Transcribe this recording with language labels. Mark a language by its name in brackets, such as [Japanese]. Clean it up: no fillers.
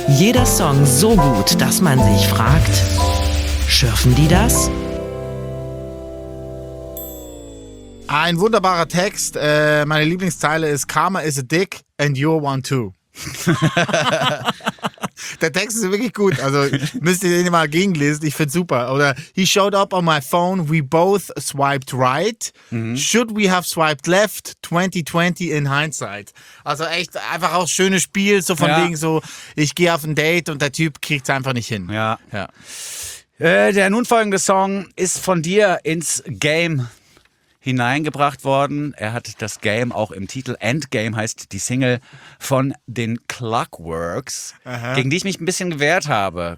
[German] Jeder Song so gut, dass man sich fragt, schürfen die das? Ein wunderbarer Text. Meine Lieblingszeile ist [English] Karma is a dick and you're one too. [German] Der Text ist wirklich gut. Also müsst ihr den mal gegenlesen. Ich find's super. Oder [English] he showed up on my phone. We both swiped right. Should we have swiped left? 2020 in hindsight. [German] Also echt einfach auch schönes Spiel. So von wegen so, ich gehe auf ein Date und der Typ kriegt's einfach nicht hin. Ja. Der nun folgende Song ist von dir ins Game hineingebracht worden. Er hat das Game auch im Titel. Endgame heißt die Single von den Clockworks, gegen die ich mich ein bisschen gewehrt habe.